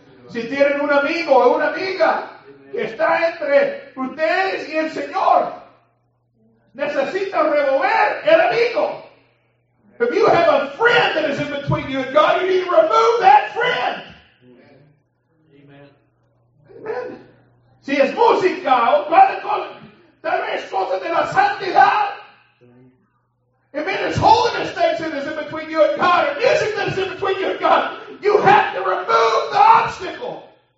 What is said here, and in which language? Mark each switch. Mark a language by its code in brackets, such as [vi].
[es] Si tienen un amigo o una amiga que está entre ustedes y el Señor, necesitan remover el amigo. [en] If you have a friend that is in between you and God, you need to remove that friend. Amen. Amen. [es] Si es música o cualquier cosa, tal vez cosas de la santidad. [en] If it is holiness that is in between you and God, or music that is in between you and God, you have to remove the obstacle.